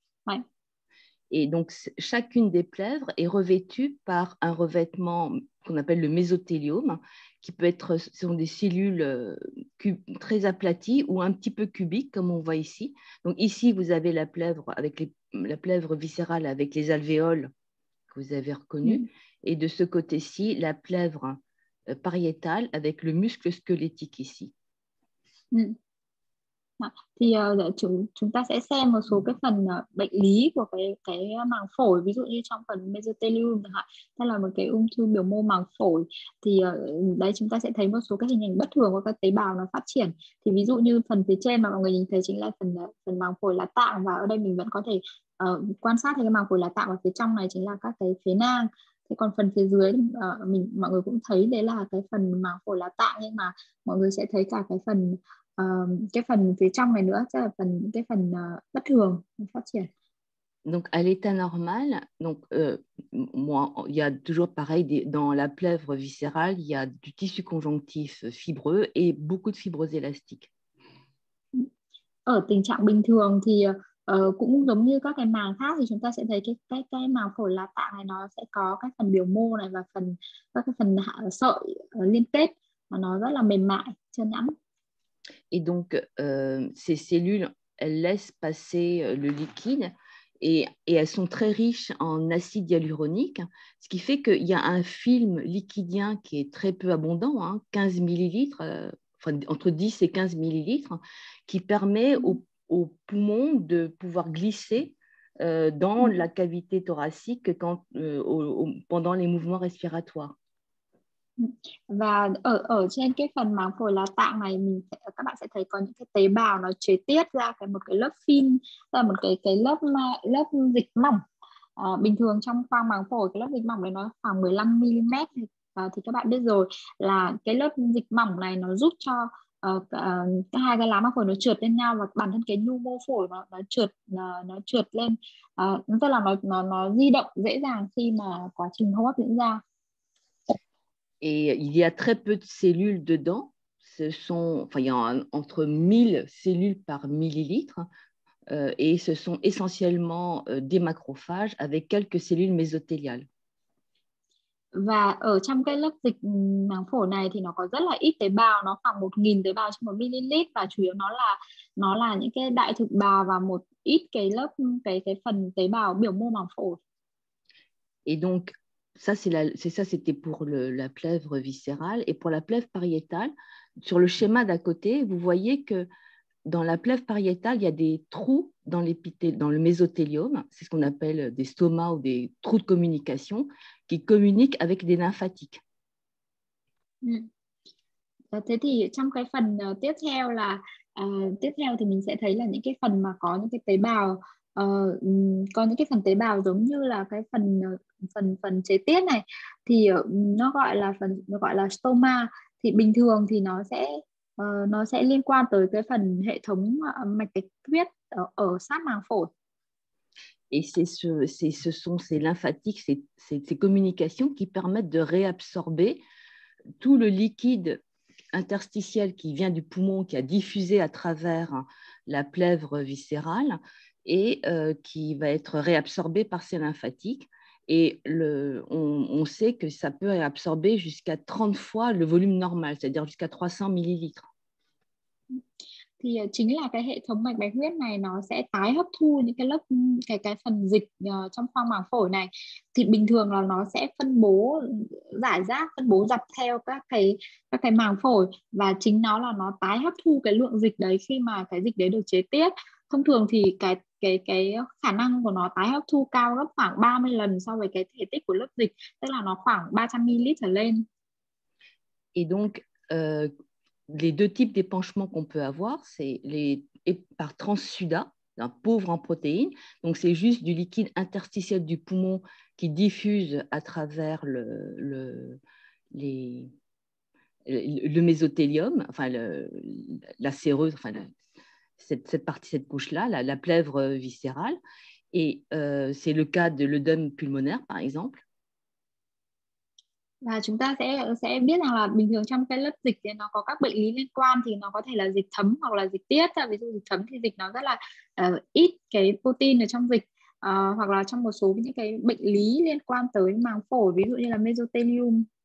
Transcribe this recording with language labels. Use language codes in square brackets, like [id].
[fr] Ouais. Et donc chacune des plèvres est revêtue par un revêtement qu'on appelle le mésothéliome, qui peut être ce sont des cellules très aplaties ou un petit peu cubiques comme on voit ici. Donc ici vous avez la plèvre avec la plèvre viscérale avec les alvéoles. Vous avez reconnu, et de ce côté-ci, la plèvre pariétale avec le muscle squelettique ici. [vi] Thì chúng ta sẽ xem một số cái phần bệnh lý của cái màng phổi, ví dụ như trong phần mesothelium chẳng hạn, hay là một cái ung thư biểu mô màng phổi, thì đấy chúng ta sẽ thấy một số cái hình ảnh bất thường của các tế bào nó phát triển. Thì ví dụ như phần phía trên mà mọi người nhìn thấy chính là phần màng phổi là tạng, và ở đây mình vẫn có thể quan sát thấy cái màng phổi là tạng, và phía trong này chính là các cái phế nang. Thế còn phần phía dưới mọi người cũng thấy đấy là cái phần màng phổi là tạng, nhưng mà mọi người sẽ thấy cả cái phần phía trong này nữa, tức là cái phần bất thường phát triển. [fr] Donc à l'état normal, donc moi il y a toujours pareil dans la plèvre viscérale, il y a du tissu conjonctif fibreux et beaucoup de fibres élastiques. [vi] Ở tình trạng bình thường thì cũng giống như các cái màng khác, thì chúng ta sẽ thấy cái màng phổi là tạng này, nó sẽ có cái phần biểu mô này và phần các cái phần sợi liên kết mà nó rất là mềm mại, chân nhẵn. [fr] Et donc, ces cellules, elles laissent passer le liquide et elles sont très riches en acide hyaluronique, ce qui fait qu'il y a un film liquidien qui est très peu abondant, hein, 15 millilitres, enfin, entre 10 et 15 millilitres, qui permet aux poumons de pouvoir glisser dans la cavité thoracique pendant les mouvements respiratoires. [vi] Và ở trên cái phần màng phổi lá tạng này, các bạn sẽ thấy có những cái tế bào nó chế tiết ra một cái lớp phim, là một cái lớp lớp dịch mỏng. Bình thường trong khoang màng phổi, cái lớp dịch mỏng này nó khoảng 15 mm, thì các bạn biết rồi là cái lớp dịch mỏng này nó giúp cho Hai cái lá mắc phổi nó trượt lên nhau và bản thân cái nhu mô phổi nó trượt lên, tức là nó di động dễ dàng khi mà quá trình hô hấp diễn ra. [fr] Et il y a très peu de cellules dedans. Ce sont, enfin, il y a entre 1000 cellules par millilitre, et ce sont essentiellement des macrophages avec quelques cellules mésothéliales. [vi] Và ở trong cái lớp dịch màng phổi này thì nó có rất là ít tế bào, nó khoảng 1.000 tế bào trong 1 ml, và chủ yếu nó là những cái đại thực bào và một ít cái lớp cái phần tế bào biểu mô màng phổi. [fr] Et donc, c'était pour la plèvre viscérale. Et pour la plèvre pariétale, sur le schéma d'à côté, vous voyez que dans la plèvre pariétale, il y a des trous dans dans le mésothélium. C'est ce qu'on appelle des stomas ou des trous de communication qui communiquent avec des lymphatiques. [vi] Ừ. Thế thì trong cái phần tiếp theo thì mình sẽ thấy là những cái phần mà có những cái tế bào có những cái phần tế bào giống như là cái phần phần phần chế tiết này thì nó gọi là stoma, thì bình thường thì nó sẽ liên quan tới cái phần hệ thống mạch cách huyết ở sát màng phổi. [fr] Et ce sont ces lymphatiques, ces communications qui permettent de réabsorber tout le liquide interstitiel qui vient du poumon, qui a diffusé à travers la plèvre viscérale et qui va être réabsorbé par ces lymphatiques. Et on sait que ça peut réabsorber jusqu'à 30 fois le volume normal, c'est-à-dire jusqu'à 300 millilitres. [vi] Thì chính là cái hệ thống mạch bạch huyết này nó sẽ tái hấp thu những cái lớp cái phần dịch trong khoang màng phổi này, thì bình thường là nó sẽ phân bố rải rác, phân bố dọc theo các cái màng phổi, và chính nó tái hấp thu cái lượng dịch đấy khi mà cái dịch đấy được chế tiết. Thông thường thì cái khả năng của nó tái hấp thu cao gấp khoảng 30 lần so với cái thể tích của lớp dịch, tức là nó khoảng 300 ml trở lên. [fr] Et donc, les deux types d'épanchements qu'on peut avoir, c'est par transsuda, un pauvre en protéines. Donc, c'est juste du liquide interstitiel du poumon qui diffuse à travers le mésothélium, enfin la séreuse, enfin cette couche-là, la plèvre viscérale. Et c'est le cas de l'œdème pulmonaire, par exemple. [vi] Và chúng ta sẽ biết rằng là bình thường trong cái lớp dịch thì nó có các bệnh lý liên quan, thì nó có thể là dịch thấm hoặc là dịch tiết. Ví dụ dịch thấm thì dịch nó rất là ít cái protein ở trong dịch, hoặc là trong một số những cái bệnh lý liên quan tới màng phổi, ví dụ như là mesothélium.